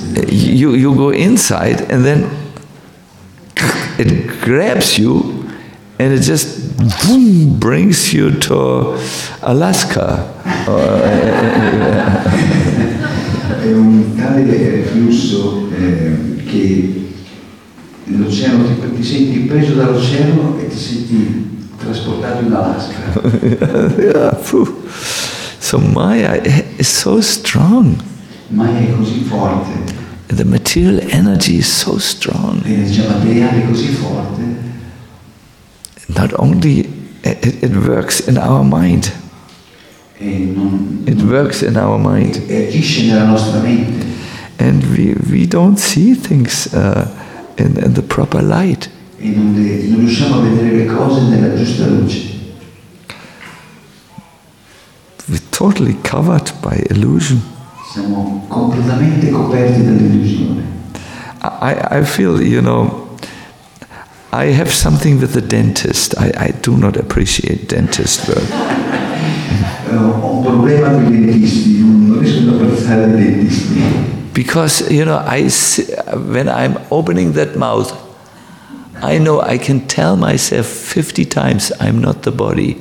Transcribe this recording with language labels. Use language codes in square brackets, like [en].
[en] You go inside and then it grabs you and it just boom, brings you to Alaska. [it] È un tale reflusso che l'oceano ti senti preso dall'oceano e ti senti trasportato in Alaska. [en] So Maya is so strong. [it] Maya è così forte. [en] The material energy is so strong. [it] L'energia materiale è così forte. [en] Not only it works in our mind. It works in our mind. [it] Agisce nella nostra mente. [en] And we don't see things in the proper light. [it] Non riusciamo a vedere le cose nella giusta luce. [en] We're totally covered by illusion. [it] Siamo completamente coperti dall'illusione. [en] I feel, you know, I have something with the dentist. I do not appreciate dentist work. [it] Ho un problema con i dentisti, non riesco ad apprezzare i dentisti. [en] Because, you know, when I'm opening that mouth, I know I can tell myself 50 times I'm not the body.